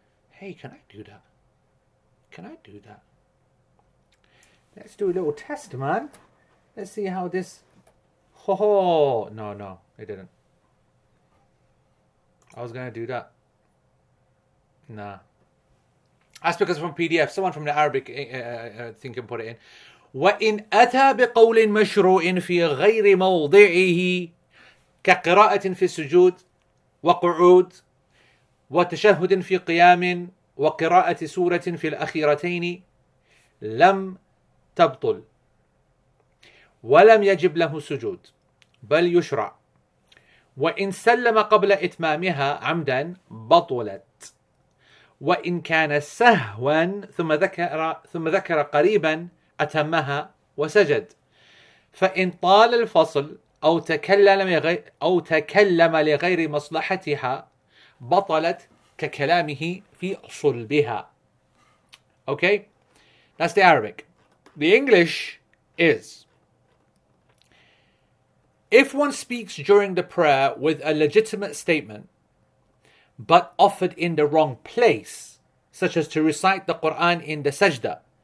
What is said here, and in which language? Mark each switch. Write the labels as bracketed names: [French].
[English] Hey, can I do that? Can I do that? Let's do a little test, man. Let's see how this... Ho ho! No, it didn't. I was going to do that. Nah. That's because from PDF. Someone from the Arabic thing can put it in. [Arabic] وَإِنْ أَتَى بِقَوْلٍ مَشْرُوءٍ فِي غَيْرِ مَوْضِعِهِ كَقِرَاءَةٍ فِي السُّجُودِ وقعود وتشهد في قيام وقراءة سورة في الأخيرتين لم تبطل ولم يجب له السجود بل يشرع وإن سلم قبل إتمامها عمدا بطلت وإن كان سهوا ثم ذكر قريبا أتمها وسجد فإن طال الفصل أو تكلم لغير مصلحتها بطلت ككلامه في صلبها. [English] Okay, that's the Arabic. The English is, if one speaks during the prayer with a legitimate statement, but offered in the wrong place, such as to recite the Quran in the sajda.